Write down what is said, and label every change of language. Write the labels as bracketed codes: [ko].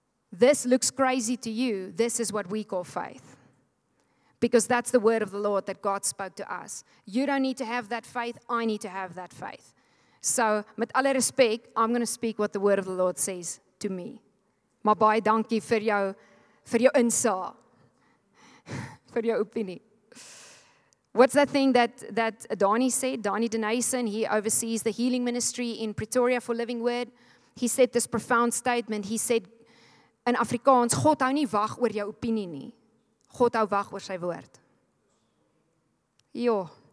[en] This looks crazy to you. This is what we call faith. Because that's the word of the Lord that God spoke to us. You don't need to have that faith. I need to have that faith. So, [af] met alle respect, [en] I'm going to speak what the word of the Lord says to me. [af] Maar baie dankie vir jou insaag. Vir jou opinie. [en] What's that thing that Donnie said? Donnie Denison, he oversees the healing ministry in Pretoria for Living Word. He said this profound statement. He said, in Afrikaans, [af] God hou nie wag oor jou opinie nie. God hou wag oor sy woord. Jo.